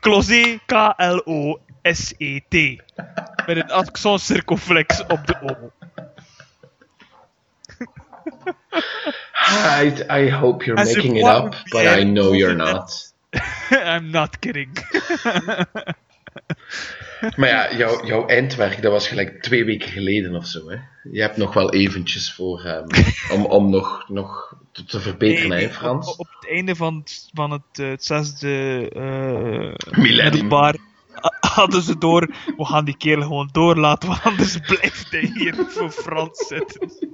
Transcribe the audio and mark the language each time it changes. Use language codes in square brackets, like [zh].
[nl] Closé, closet. Met een accent circumflex op de O. [en] I hope you're As making it up, but I know you're not. I'm not kidding. [nl] Maar ja, jouw eindwerk, dat was gelijk 2 weken geleden of zo, hè? Je hebt nog wel eventjes voor om nog te verbeteren, nee, hè, Frans? Op het einde van het zesde millennium. Middelbaar hadden ze door, we gaan die kerel gewoon doorlaten, want anders blijft hij hier voor Frans zitten.